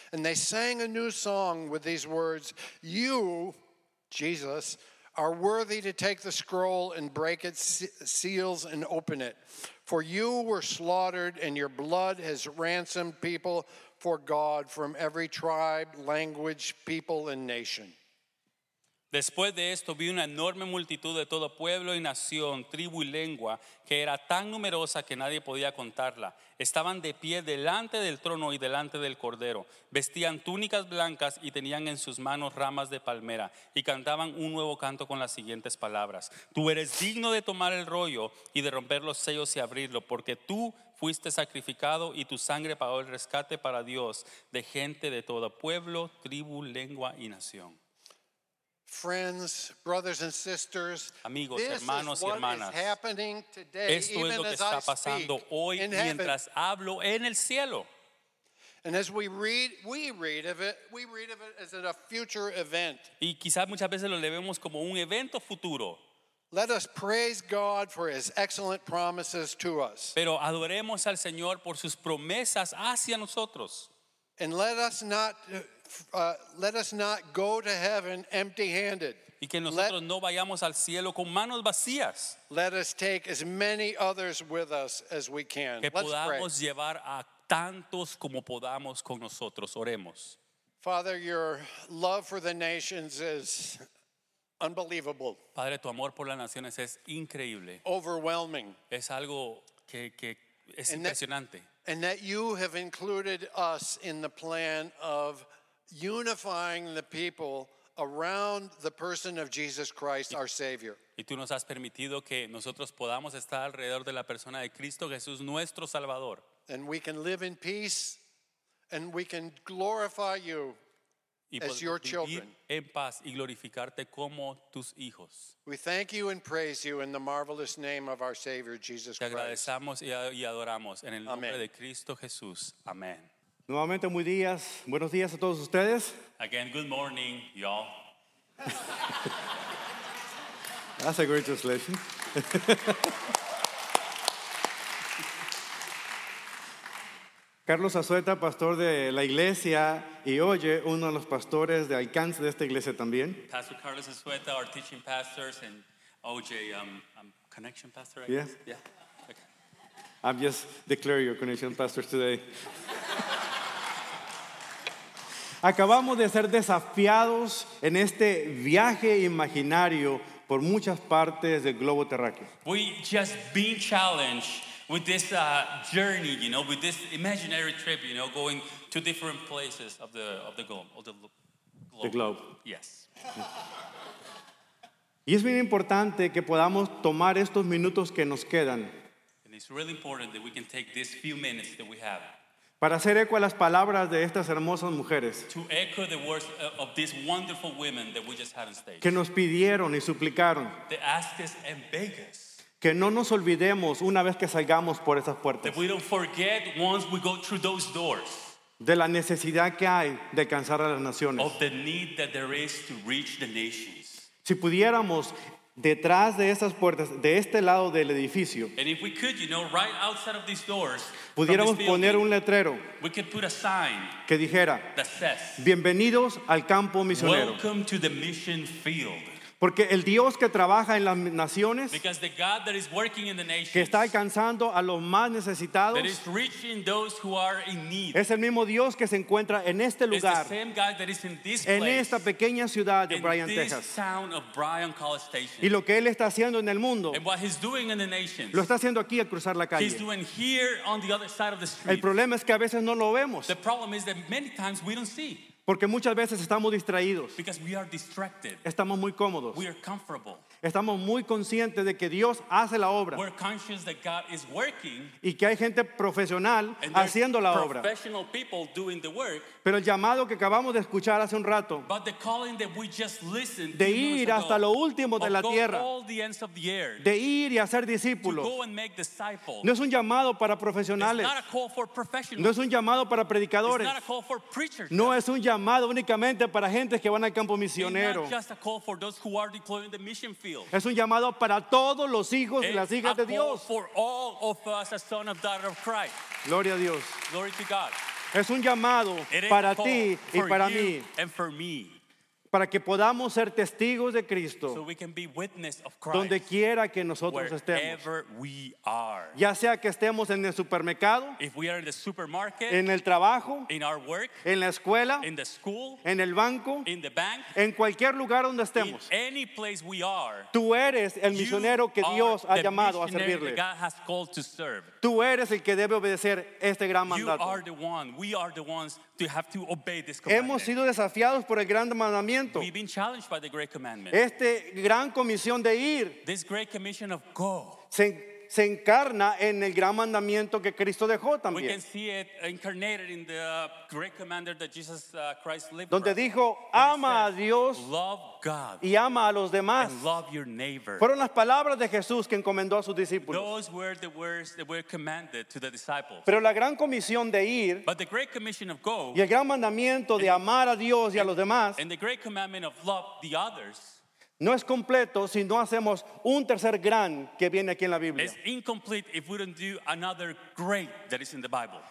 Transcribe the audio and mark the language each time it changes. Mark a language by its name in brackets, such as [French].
[English] And they sang a new song with these words, "You, Jesus, are worthy to take the scroll and break its seals and open it. For you were slaughtered, and your blood has ransomed people for God from every tribe, language, people, and nation." [Spanish] Después de esto vi una enorme multitud de todo pueblo y nación, tribu y lengua, que era tan numerosa que nadie podía contarla. Estaban de pie delante del trono y delante del cordero. Vestían túnicas blancas y tenían en sus manos ramas de palmera y cantaban un nuevo canto con las siguientes palabras: "Tú eres digno de tomar el rollo y de romper los sellos y abrirlo, porque tú fuiste sacrificado y tu sangre pagó el rescate para Dios de gente de todo pueblo, tribu, lengua y nación." [English] Friends, brothers and sisters, [Spanish] amigos, [English] this [Spanish] hermanos [English] is what [Spanish] y hermanas, [English] is happening today, [Spanish] esto [English] even [Spanish] es lo que está pasando hoy mientras [English] heaven. [Spanish] Hablo en el cielo. [English] And as we read of it as a future event. [Spanish] Y quizás muchas veces lo vemos como un evento futuro. [English] Let us praise God for his excellent promises to us. [Spanish] Pero adoremos al Señor por sus promesas hacia nosotros. [English] And let us not go to heaven empty-handed. [Spanish] Y que nosotros no vayamos al cielo con manos vacías. [English] Let us take as many others with us as we can. [Spanish] Que podamos llevar a tantos como podamos con nosotros. Oremos. [English] Father, your love for the nations is unbelievable. [Spanish] Padre, tu amor por las naciones es increíble. [English] Overwhelming. [Spanish] Es algo que es impresionante. [English] And that you have included us in the plan of unifying the people around the person of Jesus Christ, our Savior. [Spanish] Y tú nos has permitido que nosotros podamos estar alrededor de la persona de Cristo Jesús, nuestro Salvador. [English] And we can live in peace, and we can glorify you as your children. [Spanish] En paz y glorificarte como tus hijos. [English] We thank you and praise you in the marvelous name of our Savior Jesus Christ. [Spanish] Te agradecemos y adoramos en el nombre de Cristo Jesús. Amén. Nuevamente, muy días. Buenos días a todos ustedes. [English] Again, good morning, y'all. That's a great translation. [Spanish] Carlos Azueta, pastor de la iglesia, y oye, uno de los pastores de alcance de esta iglesia también. [English] Pastor Carlos Azueta, our teaching pastors, and OJ, connection pastor, I guess. Yeah. Okay. I'm just declaring your connection pastors today. [Spanish] Acabamos de ser desafiados en este viaje imaginario por muchas partes del globo terráqueo. [English] We just been challenged with this journey, you know, with this imaginary trip, you know, going to different places of the globe. Of the globe. Yes. [Spanish] Y es bien importante que podamos tomar estos minutos que nos quedan. [English] And it's really important that we can take these few minutes that we have. [Spanish] Para hacer eco a las palabras de estas hermosas mujeres. [English] To echo the words of these wonderful women that we just had on stage. [Spanish] Que nos pidieron y suplicaron. [English] They asked us and begged us. [Spanish] Que no nos olvidemos una vez que salgamos por esas puertas. [English] That we don't forget once we go through those doors. [Spanish] De la necesidad que hay de alcanzar a las naciones. [English] Of the need that there is to reach the nations. [Spanish] Si pudiéramos detrás de esas puertas, de este lado del edificio, [English] and if we could, you know, right outside of these doors, [Spanish] pudiéramos [English] this [Spanish] poner un letrero, [English] we could put a sign [Spanish] que dijera, [English] that says, [Spanish] "Bienvenidos al campo misionero." [English] Welcome to the mission field. [Spanish] Porque el Dios que trabaja en las naciones, [English] because the God that is working in the nations, [Spanish] que está alcanzando a los más necesitados, [English] that is reaching those who are in need, [Spanish] es el mismo Dios que se encuentra en este lugar, [English] the same God that is in this place, [Spanish] en esta pequeña ciudad de Bryan, Texas. [English] Town of Bryan, College Station. [Spanish] Y lo que Él está haciendo en el mundo, [English] and what he's doing in the nations, [Spanish] lo está haciendo aquí al cruzar la calle. [English] He's doing here on the other side of the street. [Spanish] El problema es que a veces no lo vemos. [English] The problem is that many times we don't see. [Spanish] Porque muchas veces estamos distraídos. [English] Because we are distracted. [Spanish] Estamos muy cómodos. [English] We are comfortable. [Spanish] Estamos muy conscientes de que Dios hace la obra. [English] We're conscious that God is working, [Spanish] y que hay gente profesional haciendo la obra. [English] Professional people doing the work, [Spanish] pero el llamado que acabamos de escuchar hace un rato, [English] but the calling that we just listened, [Spanish] de ir hasta lo último de la tierra, [English] all the ends of the earth, [Spanish] de ir y hacer discípulos, [English] to go and make disciples, [Spanish] no es un llamado para profesionales, [English] it's not a call for professionals, [Spanish] no es un llamado para predicadores, [English] it's not a call for preachers, [Spanish] no es un llamado únicamente para gentes que van al campo misionero. [English] It's not just a call for those who are deploying the mission field. [Spanish] Es un llamado para todos los hijos y las hijas de Dios. [English] For all of us, a son of daughter of Christ. [Spanish] Gloria a Dios. [English] Glory to God. [Spanish] Es un llamado para ti y para mí. [English] And for me. [Spanish] Para que podamos ser testigos de Cristo. [English] So we can be witness of Christ. [Spanish] Donde quiera que nosotros estemos. [English] Wherever we are. [Spanish] Ya sea que estemos en el supermercado. [English] If we are in the supermarket. [Spanish] En el trabajo. [English] In our work. [Spanish] En la escuela. [English] In the school. [Spanish] En el banco. [English] In the bank. [Spanish] En cualquier lugar donde estemos. [English] In any place we are. [Spanish] Tú eres el misionero que Dios ha llamado a servirle. [English] That God has called to serve. [Spanish] Tú eres el que debe obedecer este gran mandato. [English] You are the one. We are the ones to have to obey this command. [Spanish] Hemos sido desafiados por el gran mandamiento. [English] We've been challenged by the great commandment. [Spanish] Este gran comisión de ir, [English] this great commission of go, [Spanish] se encarna en el gran mandamiento que Cristo dejó también. [English] We can see it incarnated in the great commandment that Jesus Christ lived. [Spanish] Donde dijo, ama a Dios, [English] love God, [Spanish] y ama a los demás. [English] And love your neighbor. [Spanish] Fueron las palabras de Jesús que encomendó a sus discípulos. [English] Those were the words that were commanded to the disciples. [Spanish] Pero la gran comisión de ir, [English] but the great commission of go, [Spanish] y el gran mandamiento de amar a Dios y a los demás, [English] and the great commandment of love the others, [Spanish] no es completo si no hacemos un tercer gran que viene aquí en la Biblia. [English] It's incomplete if we don't do another great that is in the Bible.